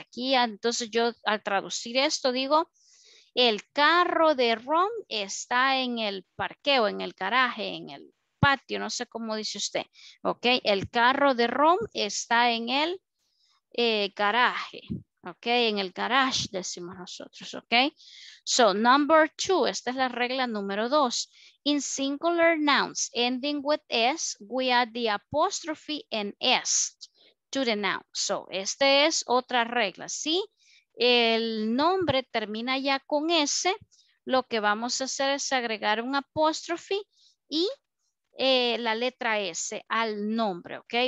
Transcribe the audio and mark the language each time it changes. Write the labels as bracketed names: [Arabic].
[Spanish] Aquí, entonces yo al traducir esto digo, el carro de Ron está en el parqueo, en el garaje, en el patio, no sé cómo dice usted. Ok, el carro de Ron está en el garaje. Ok, en el garage decimos nosotros, ok. [English] So, number two, [Spanish] esta es la regla número dos. [English] In singular nouns ending with S, we add the apostrophe and S to the noun. [Spanish] So, esta es otra regla. Si el nombre termina ya con S, lo que vamos a hacer es agregar un apostrophe y la letra S al nombre, ok.